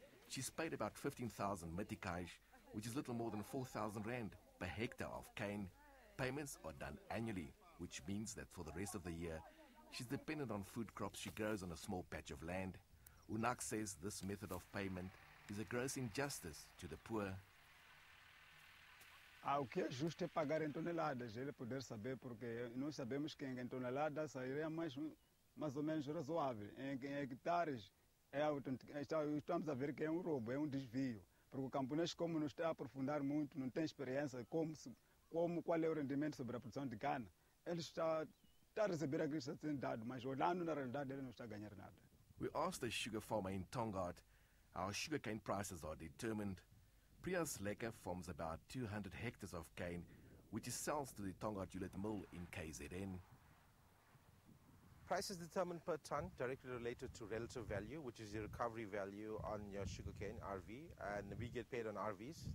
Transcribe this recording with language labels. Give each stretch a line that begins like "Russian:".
English: She's paid about 15,000 metikais, which is little more than 4,000 rand per hectare of cane. Payments are done annually, which means that for the rest of the year, she's dependent on food crops she grows on a small patch of land. Unak says this method of payment is a gross injustice to the poor.
Portuguese: Ah, o que é justo é pagar em toneladas, ele poder saber, porque nós sabemos que em toneladas sairia mais ou menos razoável. Em hectares, estamos a ver que é um roubo, é um desvio. Porque o camponês, como não está a aprofundar muito, não tem experiência, qual é o rendimento sobre a produção de cana, ele está a receber aquilo que está sendo dado, mas olhando na realidade, ele não está a ganhar nada.
English: We asked a sugar farmer in Tongaat how sugarcane prices are determined. Prias Lekker forms about 200 hectares of cane, which is sells to the Tongaat Ulet mill in KZN. Prices determined per ton directly related to relative value, which is the recovery value on your sugarcane, RV, and we get paid on RVs.